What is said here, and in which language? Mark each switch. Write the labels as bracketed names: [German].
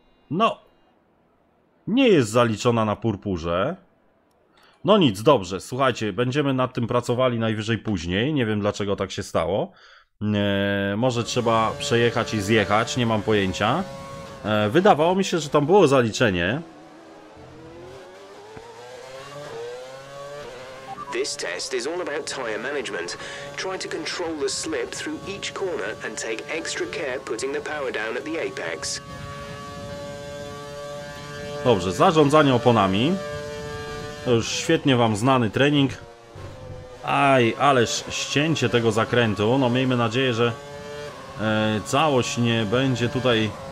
[Polish] No... Nie jest zaliczona na purpurze. No nic, dobrze. Słuchajcie, będziemy nad tym pracowali najwyżej później. Nie wiem, dlaczego tak się stało. Może trzeba przejechać i zjechać. Nie mam pojęcia. Wydawało mi się, że tam było zaliczenie. [English] This test is all about tire management. Try to control the slip through each corner and take extra care putting the power down at the apex. [Polish] Dobrze, zarządzanie oponami. To już świetnie wam znany trening. Aj, ależ ścięcie tego zakrętu. No miejmy nadzieję, że całość nie będzie tutaj...